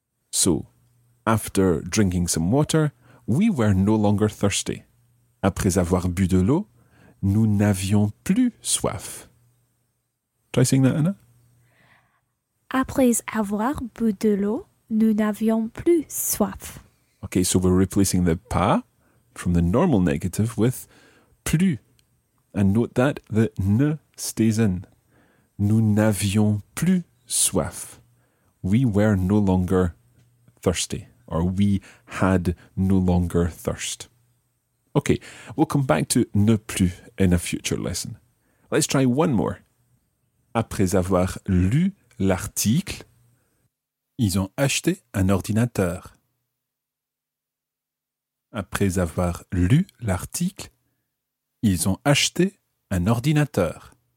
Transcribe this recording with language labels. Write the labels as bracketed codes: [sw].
[en] So, after drinking some water, we were no longer thirsty. [fr] Après avoir bu de l'eau, nous n'avions plus soif. [en] Try saying that, Anna. [fr] Après avoir bu de l'eau, nous n'avions plus soif. [en] Okay, so we're replacing the pas from the normal negative with plus. And note that the ne stays in. [fr] Nous n'avions plus soif. [en] We were no longer thirsty, or we had no longer thirst. Okay, we'll come back to ne plus in a future lesson. Let's try one more. [fr] Après avoir lu l'article, ils ont acheté un ordinateur. Après avoir lu l'article, ils ont acheté un ordinateur.